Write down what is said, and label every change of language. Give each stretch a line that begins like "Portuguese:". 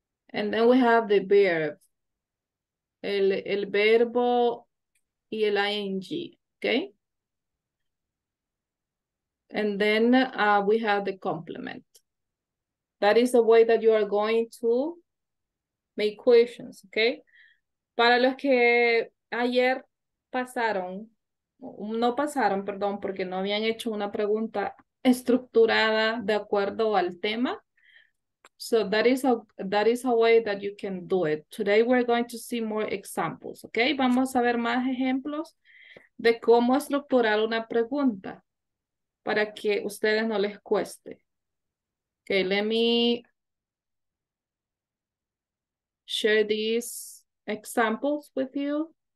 English: And then we have the verb,
Spanish: el verbo y el
English: ing, okay? And then we have the complement. That is the way that you are going to make questions, okay?
Spanish: Para los que ayer pasaron, no pasaron, perdón, porque no habían hecho una pregunta, estructurada de acuerdo al tema.
English: So that is a way that you can do it. Today we're going to see more examples, okay?
Spanish: Vamos a ver más ejemplos de cómo estructurar una pregunta para que a ustedes no les cueste.
English: Okay, let me share these examples with you.